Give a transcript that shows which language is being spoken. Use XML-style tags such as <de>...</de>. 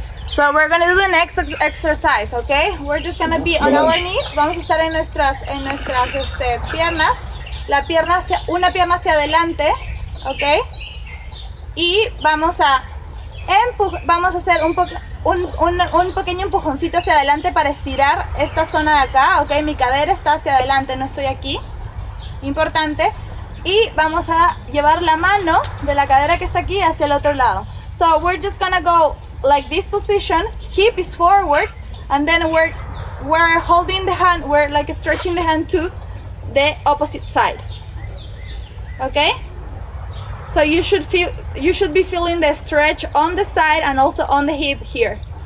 <en>So we're going to do the next exercise, ok. We're just going to be on our knees.</en> <es>Vamos a estar en nuestras piernas. La pierna hacia, una pierna hacia adelante, ok, y vamos a hacer un pequeño empujoncito hacia adelante para estirar esta zona de acá, ok. Mi cadera está hacia adelante, no estoy aquí, importante, y vamos a llevar la mano de la cadera que está aquí hacia el otro lado.</es> <en>So we're just gonna go like this position, hip is forward, and then we're holding the hand, we're like stretching the hand too, the opposite side. Okay? So you should be feeling the stretch on the side and also on the hip here.</en>